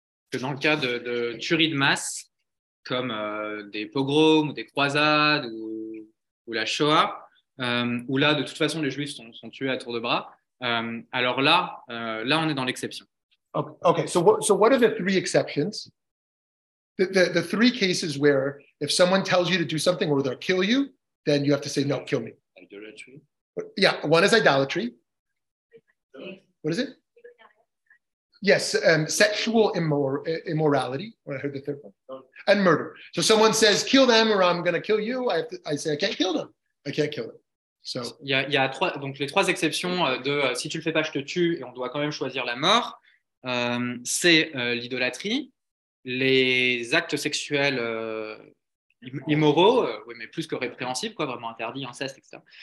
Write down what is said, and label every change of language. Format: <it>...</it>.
<fr>Que dans le cas de tueries de masse, comme des pogroms ou des croisades ou la Shoah, où là, de toute façon, les Juifs sont tués à tour de bras, alors là, on est dans l'exception.</fr> <en>Okay. So what are the three exceptions? The three cases where if someone tells you to do something or they'll kill you, then you have to say, no, kill me. Idolatry. Yeah, one is idolatry. What is it? Yes, sexual immorality. When I heard the third one, and murder. So someone says, "Kill them, or I'm going to kill you." I say, "I can't kill them. I can't kill them." So</en> <fr>il y a trois. Donc les trois exceptions de si tu le fais pas, je te tue, et on doit quand même choisir la mort. C'est l'idolâtrie, les actes sexuels immoraux, oui, mais plus que répréhensibles, quoi, vraiment interdits, inceste, etc.</fr>